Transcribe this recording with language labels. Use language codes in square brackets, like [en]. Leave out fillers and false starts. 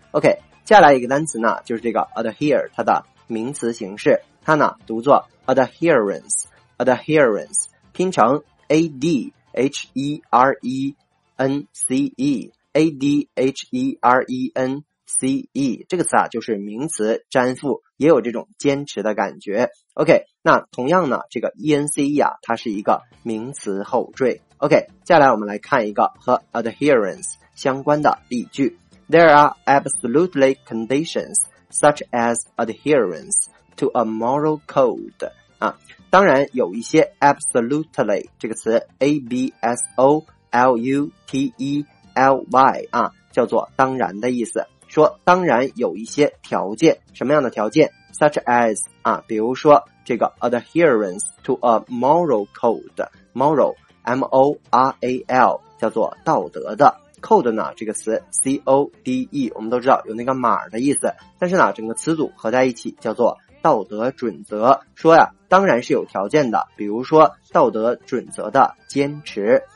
[zh] OK, 接下来一个单词呢就是这个 adhere, 它的名词形式，它呢读作 adherence, 拼成 A-D-H-E-R-E-N-C-E,A-D-H-E-R-E-N-C-E, 这个词啊就是名词粘附，也有这种坚持的感觉。 OK, 那同样呢这个 E-N-C-E 啊它是一个名词后缀。 OK, 接下来我们来看一个和 adherence 相关的例句。 [en] There are absolutely conditions such as adherence to a moral code. [zh] 啊，当然有一些 absolutely 这个词 A-B-S-O-L-U-T-E,ly 啊，叫做当然的意思，说当然有一些条件，什么样的条件？ such as 啊，比如说这个 [en] adherence to a moral code, [zh] moral, M-O-R-A-L, 叫做道德的 code 呢，这个词 C-O-D-E, 我们都知道有那个码的意思，但是呢整个词组合在一起叫做道德准则，说呀当然是有条件的，比如说道德准则的坚持。